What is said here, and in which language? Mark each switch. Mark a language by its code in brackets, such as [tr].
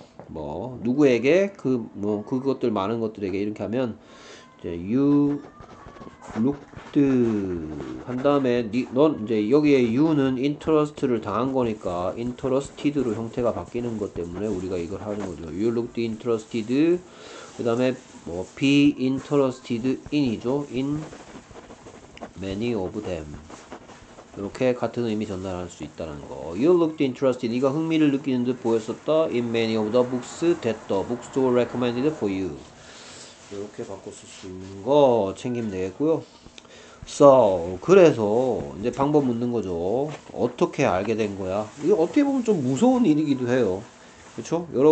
[ko] 뭐 누구에게 그뭐 그것들 많은 것들에게 이렇게 하면 이제 [en] you looked [ko] 한 다음에 네넌 이제 여기에 you는 interest를 당한 거니까 interested로 형태가 바뀌는 것 때문에 우리가 이걸 하는 거죠. [en] You looked interested. [ko] 그다음에 뭐 [en] be interested in이죠. in many of them. [ko] 이렇게 같은 의미 전달할 수 있다는 거. [en] You looked interested. [ko] 네가 흥미를 느끼는 듯 보였었다. [en] In many of the books that the bookstore recommended for you. [ko] 이렇게 바꿔 쓸수 있는 거 챙기면 되겠고요. So, 그래서 이제 방법 묻는 거죠. 어떻게 알게 된 거야? 이게 어떻게 보면 좀 무서운 일이기도 해요. 그렇죠?